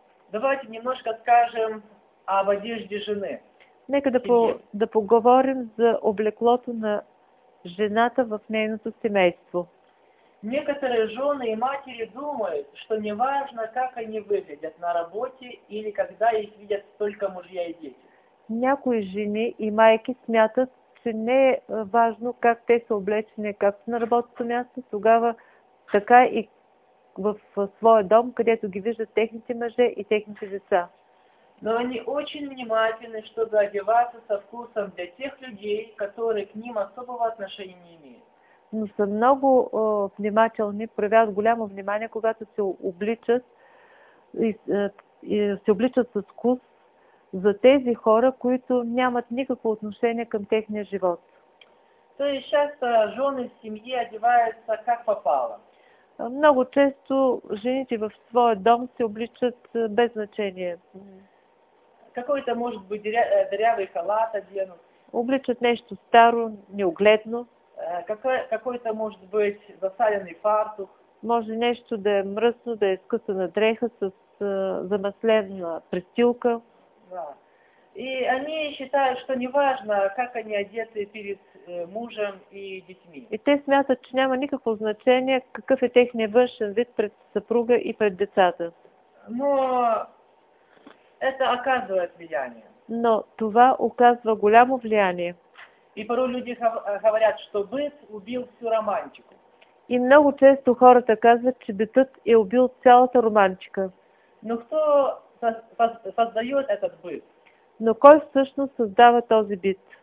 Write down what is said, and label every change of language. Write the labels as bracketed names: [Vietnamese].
[Russian] Давайте немножко скажем об одежде жены. [Bulgarian] Нека да поговорим за облеклото на жената в нейното семейство. [Russian] Некоторые жены и матери думают, что не важно, как они выглядят на работе или когда их видят только мужья и дети. [Bulgarian] Някои жени и майки смятат, че не е важно как те са облечени както на работното място, тогава така и в своя дом, където ги виждат техните мъже и техните деца. [Russian] Но они очень внимательны, чтобы одеваться со вкусом для тех людей, которые к ним особого отношения не имеют. [Bulgarian] Но са много внимателни, проявяват голямо внимание, когато се обличат и се обличат с вкус за тези хора, които нямат никакво отношение към техния живот. [Russian] То есть часто жены в семье одеваются как попало. [Bulgarian] Много често жените в своя дом се обличат без значения. [Russian] Какой-то может быть дырявый халат оденут. [Bulgarian] Обличат нечто старо, неугледно. [Russian] Какой-то может быть засаленный фартух. [Bulgarian] Може нещо да е мръсно, да е скъсана дреха с замаслена престилка. [Russian] Да. И они считают, что не важно, как они одеты перед мужем и детьми. [Bulgarian] И те смятат, че няма никакво значение, какъв е техния външен вид пред съпруга и пред децата. [Russian] Но это оказывает влияние. [Bulgarian] Но това оказва голямо влияние. [Russian] И порой люди говорят, что быт убил всю романтику. [Bulgarian] И много често хората казват, че бетът е убил цялата романтика. [Russian] Но кто создает этот быт? [Bulgarian] Но кой всъщност създава този бит?